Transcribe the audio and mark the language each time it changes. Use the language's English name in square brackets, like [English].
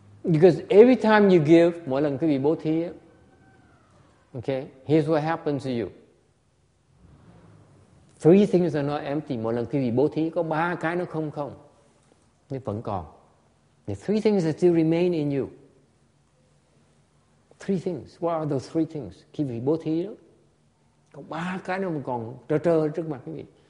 [English] Because every time you give, [Vietnamese] mỗi lần quý vị bố thí, [English] okay, here's what happens to you. Three things are not empty. [Vietnamese] Mỗi lần quý vị bố thí, có ba cái nó không không, nó vẫn còn. [English] The three things that still remain in you. Three things. What are those three things? [Vietnamese] Khi vị bố thí đó, có ba cái nó còn trơ trơ trước mặt quý vị.